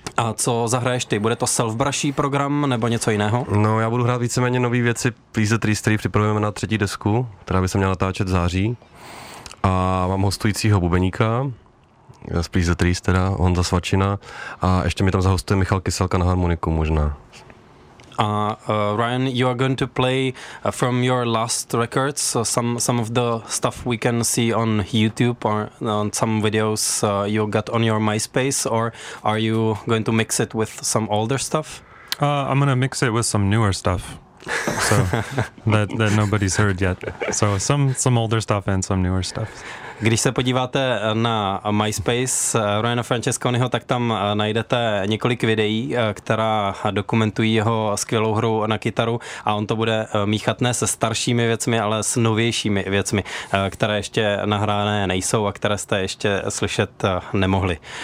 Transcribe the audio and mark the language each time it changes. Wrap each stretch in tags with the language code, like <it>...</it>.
<cs>A co zahraješ ty? Bude to self-brushy program nebo něco jiného? No, já budu hrát víceméně nové věci Please the Trees, který připravujeme na třetí desku, která by se měla natáčet v září. A mám hostujícího bubeníka z Please the Trees, teda Honza Svačina. A ještě mi tam zahostuje Michal Kyselka na harmoniku možná.</cs> <en>Ryan, you are going to play from your last records some of the stuff we can see on YouTube or on some videos you got on your MySpace, or are you going to mix it with some older stuff? I'm going to mix it with some newer stuff, so that nobody's heard yet. So some older stuff and some newer stuff.</en> <cs>Když se podíváte na MySpace Ryana Francesconiho, tak tam najdete několik videí, která dokumentují jeho skvělou hru na kytaru, a on to bude míchat ne se staršími věcmi, ale s novějšími věcmi, které ještě nahrané nejsou a které jste ještě slyšet nemohli.</cs>